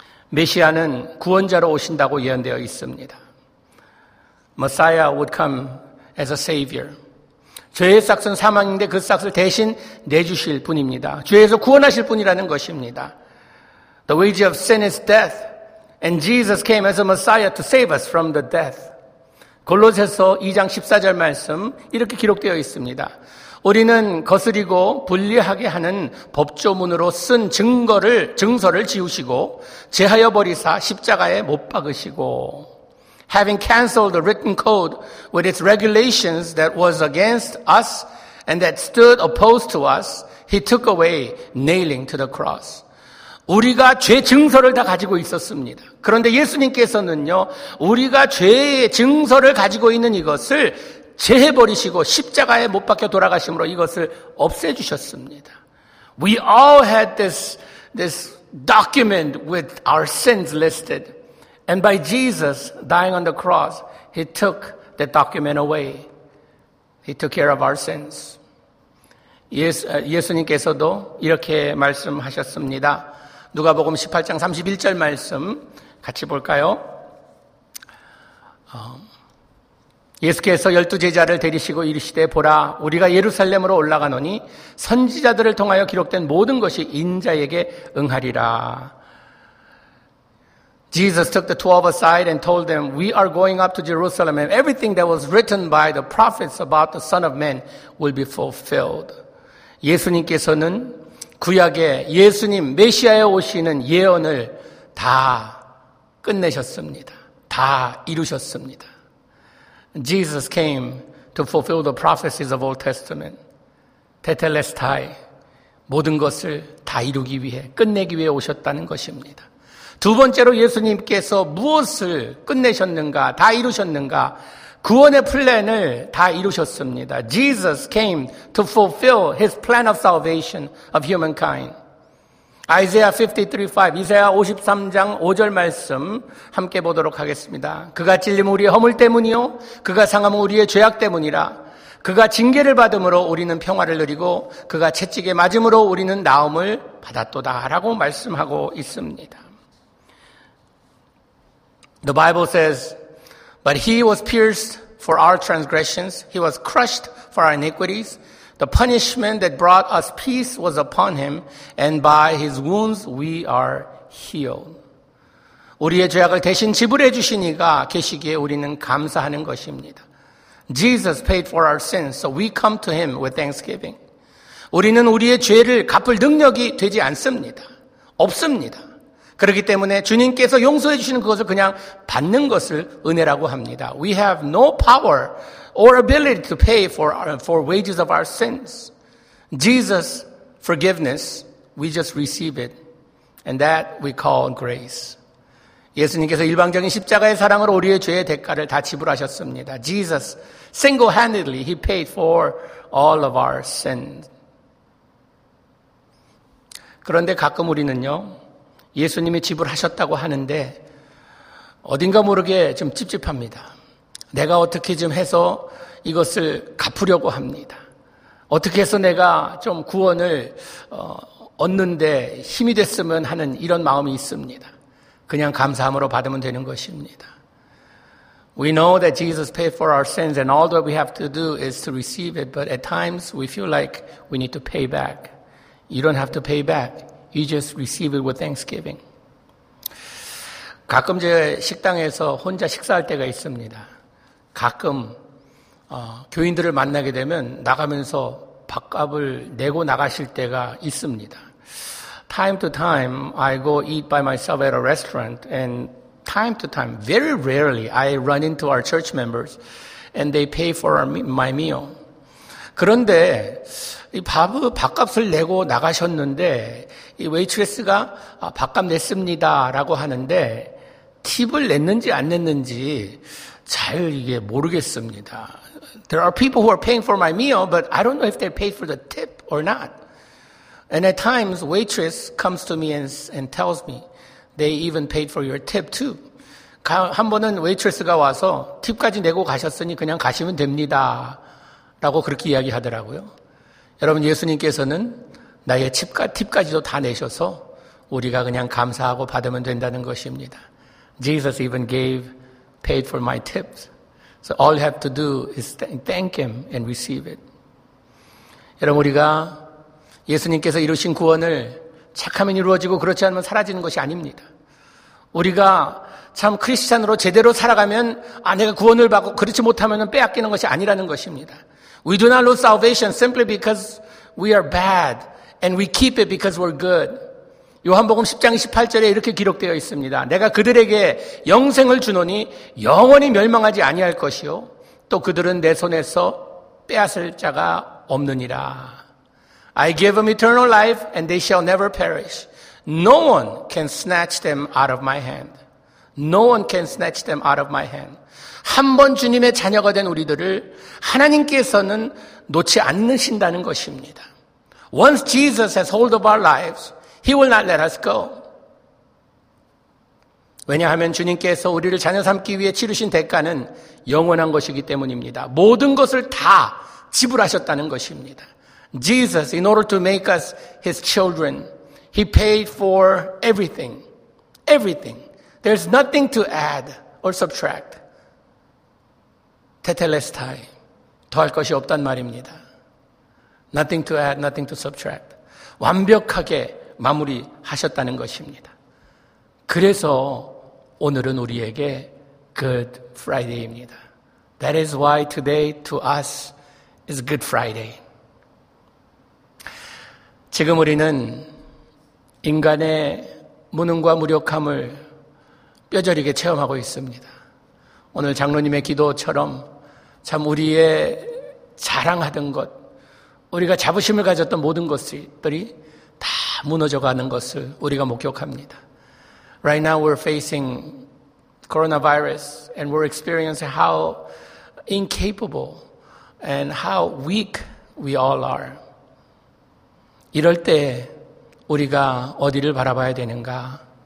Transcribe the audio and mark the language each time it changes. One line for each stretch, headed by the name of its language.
Korean: 메시아는 구원자로 오신다고 예언되어 있습니다.
English: Messiah would come as a savior.
Korean: 죄의 삯은 사망인데 그 삯을 대신 내주실 분입니다. 죄에서 구원하실 분이라는 것입니다.
English: The wage of sin is death, and Jesus came as a Messiah to save us from the death.
Korean: 골로새서 2장 14절 말씀 이렇게 기록되어 있습니다. 우리는 거스리고 불리하게 하는 법조문으로 쓴 증서를 지우시고 제하여 버리사 십자가에 못 박으시고
English: Having canceled the written code with its regulations that was against us and that stood opposed to us, he took away nailing to the cross.
Korean: 우리가 죄 증서를 다 가지고 있었습니다. 그런데 예수님께서는요, 우리가 죄의 증서를 가지고 있는 이것을 제해버리시고 십자가에 못 박혀 돌아가심으로 이것을 없애주셨습니다.
English: We all had this document with our sins listed. And by Jesus dying on the cross, He took that document away. He took care of our sins.
Korean: 예수님께서도 이렇게 말씀하셨습니다. 누가복음 18장 31절 말씀 같이 볼까요? 예수께서 열두 제자를 데리시고 이르시되 보라 우리가 예루살렘으로 올라가노니 선지자들을 통하여 기록된 모든 것이 인자에게 응하리라.
English: Jesus took the 12 aside and told them, We are going up to Jerusalem and everything that was written by the prophets about the Son of Man will be fulfilled.
Korean: 예수님께서는 구약에 예수님 메시아에 오시는 예언을 다 끝내셨습니다. 다 이루셨습니다.
English: Jesus came to fulfill the prophecies of Old Testament.
Greek: Tetelestai.
Korean: 모든 것을 다 이루기 위해 끝내기 위해 오셨다는 것입니다. 두 번째로 예수님께서 무엇을 끝내셨는가? 다 이루셨는가? 구원의 플랜을 다 이루셨습니다.
English: Jesus came to fulfill his plan of salvation of humankind.
Korean: Isaiah 53:5, 이사야 53장 5절 말씀 함께 보도록 하겠습니다. 그가 찔림은 우리의 허물 때문이요 그가 상함은 우리의 죄악 때문이라. 그가 징계를 받음으로 우리는 평화를 누리고 그가 채찍에 맞음으로 우리는 나음을 받았도다라고 말씀하고 있습니다.
English: The Bible says But he was pierced for our transgressions. He was crushed for our iniquities. The punishment that brought us peace was upon him. And by his wounds we are healed.
Korean: 우리의 죄악을 대신 지불해 주신 이가 계시기에 우리는 감사하는 것입니다.
English: Jesus paid for our sins, so we come to him with thanksgiving.
Korean: 우리는 우리의 죄를 갚을 능력이 되지 않습니다. 없습니다. 그렇기 때문에 주님께서 용서해 주시는 그것을 그냥 받는 것을 은혜라고 합니다.
English: We have no power or ability to pay for wages of our sins. Jesus' forgiveness, we just receive it. And that we call grace.
Korean: 예수님께서 일방적인 십자가의 사랑으로 우리의 죄의 대가를 다 지불하셨습니다.
English: Jesus single-handedly, he paid for all of our sins.
Korean: 그런데 가끔 우리는요, 예수님이 지불하셨다고 하는데 어딘가 모르게 좀 찝찝합니다. 내가 어떻게 좀 해서 이것을 갚으려고 합니다. 어떻게 해서 내가 좀 구원을 얻는데 힘이 됐으면 하는 이런 마음이 있습니다. 그냥 감사함으로 받으면 되는 것입니다.
English: We know that Jesus paid for our sins and all that we have to do is to receive it. But at times we feel like we need to pay back. You don't have to pay back. You just receive it with thanksgiving.
Korean: 가끔 제 식당에서 혼자 식사할 때가 있습니다. 가끔 교인들을 만나게 되면 나가면서 밥값을 내고 나가실 때가 있습니다.
English: Time to time, I go eat by myself at a restaurant, and time to time, very rarely, I run into our church members, and they pay for my meal.
Korean: 그런데 밥값을 내고 나가셨는데 이 웨이트레스가 밥값 냈습니다라고 하는데 팁을 냈는지 안 냈는지 잘 이게 모르겠습니다.
English: There are people who are paying for my meal, but I don't know if they paid for the tip or not. And at times, waitress comes to me and tells me, they even paid for your tip too.
Korean: 한 번은 웨이트레스가 와서 팁까지 내고 가셨으니 그냥 가시면 됩니다. 라고 그렇게 이야기하더라고요. 여러분, 예수님께서는 나의 팁까지도 다 내셔서 우리가 그냥 감사하고 받으면 된다는 것입니다.
English: Jesus even paid for my tips. So all you have to do is thank him and receive it.
Korean: 여러분, 우리가 예수님께서 이루신 구원을 착하면 이루어지고 그렇지 않으면 사라지는 것이 아닙니다. 우리가 참 크리스찬으로 제대로 살아가면 내가 구원을 받고 그렇지 못하면 빼앗기는 것이 아니라는 것입니다.
English: We do not lose salvation simply because we are bad and we keep it because we're good.
Korean: 요한복음 10장 18절에 이렇게 기록되어 있습니다. 내가 그들에게 영생을 주노니 영원히 멸망하지 아니할 것이요 또 그들은 내 손에서 빼앗을 자가 없느니라.
English: I give them eternal life and they shall never perish. No one can snatch them out of my hand. No one can snatch them out of my hand.
Korean: 한번 주님의 자녀가 된 우리들을 하나님께서는 놓지 않으신다는 것입니다.
English: Once Jesus has hold of our lives, He will not let us go.
Korean: 왜냐하면 주님께서 우리를 자녀 삼기 위해 치르신 대가는 영원한 것이기 때문입니다. 모든 것을 다 지불하셨다는 것입니다.
English: Jesus, in order to make us His children, He paid for everything. Everything. There's nothing to add or subtract.
Greek: Tetelestai.
Korean: 더할 것이 없단 말입니다.
English: Nothing to add, nothing to subtract.
Korean: 완벽하게 마무리하셨다는 것입니다. 그래서 오늘은 우리에게 Good Friday입니다.
English: That is why today to us is Good Friday.
Korean: 지금 우리는 인간의 무능과 무력함을 뼈저리게 체험하고 있습니다. 오늘 장로님의 기도처럼 참 우리의 자랑하던 것, 우리가 자부심을 가졌던 모든 것들이 다 무너져가는 것을 우리가 목격합니다.
English: Right now we're facing coronavirus and we're experiencing how incapable and how weak we all are.
Korean: 이럴 때 우리가 어디를 바라봐야 되는가?